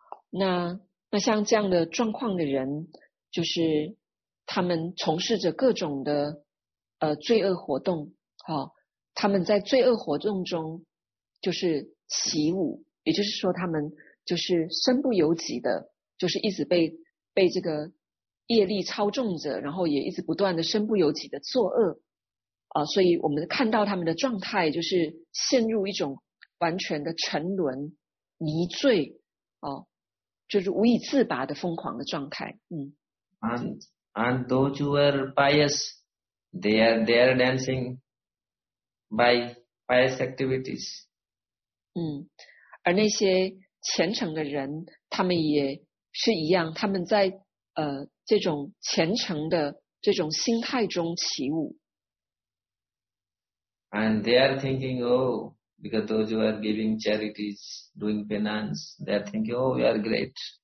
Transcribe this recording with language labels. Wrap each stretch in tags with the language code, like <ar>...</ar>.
<zh>那像这样的状况的人，就是他们从事着各种的罪恶活动，他们在罪恶活动中就是起舞，也就是说他们就是身不由己的，就是一直被这个业力操纵着，然后也一直不断的身不由己的作恶。所以我们看到他们的状态就是陷入一种完全的沉沦迷醉就是无以自拔的疯狂的状态。</zh> <en>And those who are pious, they are dancing by pious activities.</en> <zh>而那些虔诚的人他们也是一样，他们在这种虔诚的这种心态中起舞。</zh> <en>And they are thinking, oh, because those who are giving charities, doing penance, they are thinking, oh, we are great.</en>